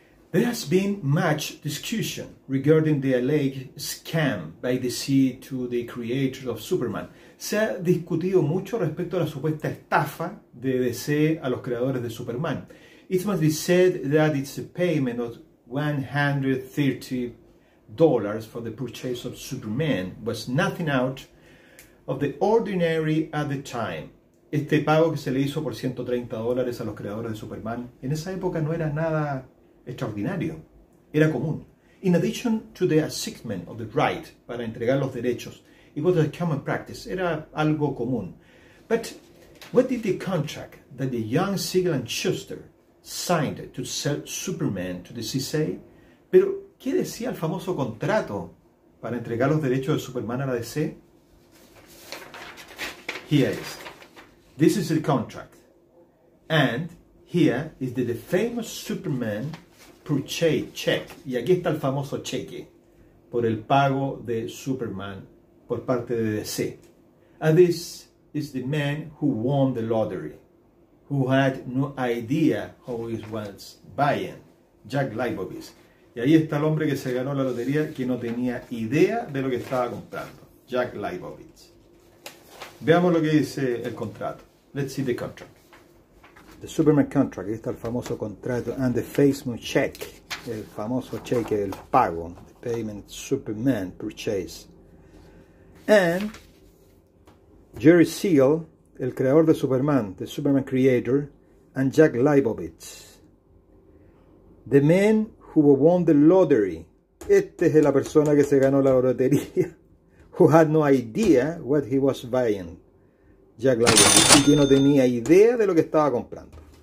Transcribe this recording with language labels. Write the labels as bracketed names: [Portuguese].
[English] There has been much discussion regarding the alleged scam by DC to the creator of Superman. [Spanish] Se ha discutido mucho respecto a la supuesta estafa de DC a los creadores de Superman. [English] It must be said that it's a payment of $130 for the purchase of Superman was nothing out of the ordinary at the time. [Spanish] Este pago que se le hizo por $130 a los creadores de Superman en esa época no era nada extraordinario, era común. [English] In addition to the assignment of the right [Spanish] para entregar los derechos, [English] it was a common practice, [Spanish] era algo común. [English] But what did the contract that the young Siegel and Schuster signed to sell Superman to the DC say? [Spanish] Pero, ¿qué decía el famoso contrato para entregar los derechos de Superman a la DC? [English] Here it is. This is the contract, and here is the famous Superman purchase check. [Spanish] Y aquí está el famoso cheque por el pago de Superman por parte de DC. [English] And this is the man who won the lottery, who had no idea how he was buying, Jack Leibovitz. [Spanish] Y ahí está el hombre que se ganó la lotería que no tenía idea de lo que estaba comprando, Jack Leibovitz. Veamos lo que dice el contrato. [English] Let's see the contract. The Superman contract. [Spanish] Ahí está el famoso contrato. [English] And the famous check. [Spanish] El famoso cheque, el pago. [English] The payment Superman purchase. And Jerry Siegel, [Spanish] el creador de Superman, [English] the Superman creator, and Jack Leibovitz. The man who won the lottery. [Spanish] Este es la persona que se ganó la lotería. [English] Who had no idea what he was buying. [Spanish] Jack Leibovitz, y que no tenía idea de lo que estaba comprando.